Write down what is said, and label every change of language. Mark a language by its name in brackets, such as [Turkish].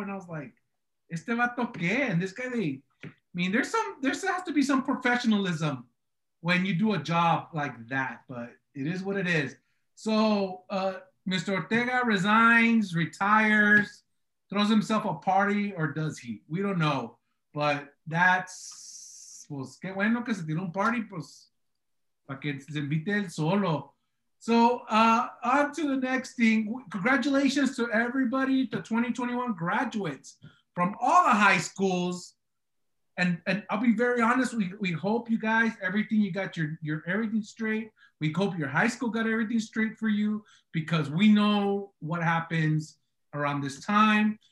[English] And I was like, [Spanish] este vato que? [English] And this guy, there has to be some professionalism when you do a job like that, but it is what it is. So Mr. Ortega resigns, retires, throws himself a party, or does he? We don't know. But that's, [Spanish] pues, que bueno que se tiene un party, pues, para que se invite el solo. [English] So on to the next thing. Congratulations to everybody, the 2021 graduates from all the high schools. And I'll be very honest, we hope you guys, everything, you got your everything straight. We hope your high school got everything straight for you, because we know what happens around this time.